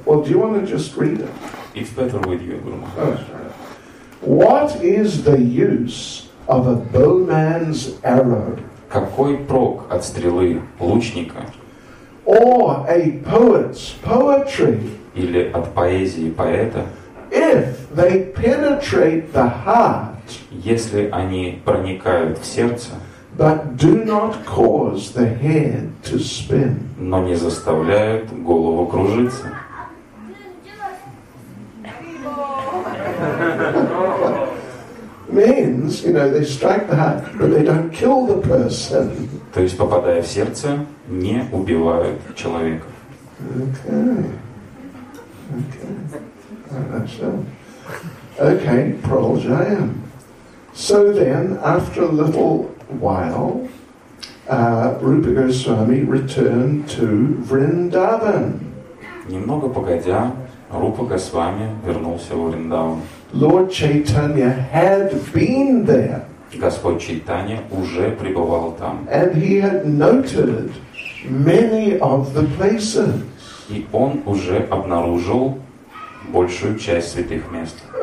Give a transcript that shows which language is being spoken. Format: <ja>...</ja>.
<en>Well, do you want to just read it? It's better with you, Guru Maharaj. Oh, sorry. What is the use of a bowman's arrow?</en> <ru>Какой прок от стрелы лучника?</ru> <en>Or a poet's poetry?</en> <ru>Или от поэзии поэта.</ru> <en>If they penetrate the heart,</en> <ru>если они проникают в сердце,</ru> <en>but do not cause the head to spin,</en> <ru>но не заставляют голову кружиться.</ru> <en>Means, you know, they strike the heart, but they don't kill the person.</en> <ru>То есть, попадая в сердце, не убивают человека.</ru> <en>Okay. Okay. Okay, Pralajayam. So then, after a little while, Rupa Goswami returned to Vrindavan.</en> <ru>Немного погодя, Рупа Госвами вернулся в Вриндаван.</ru> <en>Lord Chaitanya had been there.</en> <ru>Господь Чайтанья уже пребывал там.</ru> <en>And he had noted many of the places.</en> <ru>И он уже обнаружил большую часть святых мест.</ru>